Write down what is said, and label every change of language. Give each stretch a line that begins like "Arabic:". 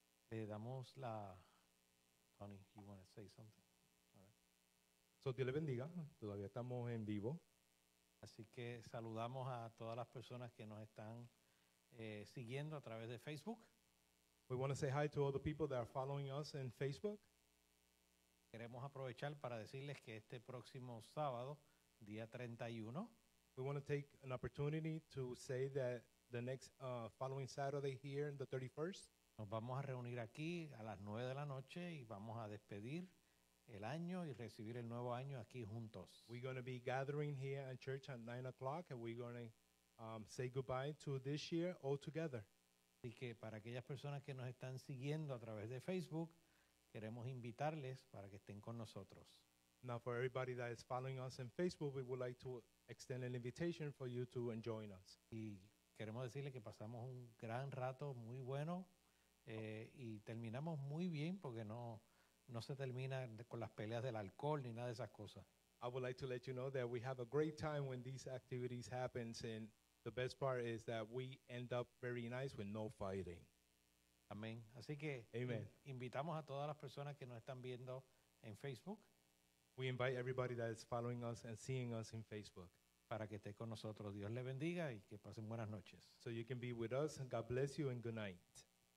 Spanish: Le damos la...
English: Tony, you want to say something? All right. So,
Spanish: Dios le bendiga. Todavía estamos en vivo. Así que saludamos a todas las personas que nos están siguiendo a través de Facebook.
English: We want to say hi to all the people that are following us in Facebook.
Spanish: Queremos aprovechar para decirles que este próximo sábado, día 31,
English: we want to take an opportunity to say that the next following Saturday here on the 31st,
Spanish: nos vamos a reunir aquí a las 9 de la noche y vamos a despedir el año y recibir el nuevo año aquí juntos.
English: We're going to be gathering here in church at 9 o'clock and we're going to say goodbye to this year all together.
Spanish: Así que para aquellas personas que nos están siguiendo a través de Facebook, queremos invitarles para que estén con nosotros.
English: Now for everybody that is following us on Facebook, we would like to extend an invitation for you to join us.
Spanish: Y queremos decirles que pasamos un gran rato, muy bueno, y terminamos muy bien porque no se termina con las peleas del alcohol ni nada de esas cosas.
English: I would like to let you know that we have a great time when these activities happen. And the best part is that we end up very nice with no fighting.
Spanish: Amén. Así que
English: amen.
Spanish: Invitamos a todas las personas que nos están viendo en Facebook.
English: We invite everybody that is following us and seeing us in Facebook.
Spanish: Para que esté con nosotros. Dios le bendiga y que pasen buenas noches.
English: So you can be with us. And God bless you and good night.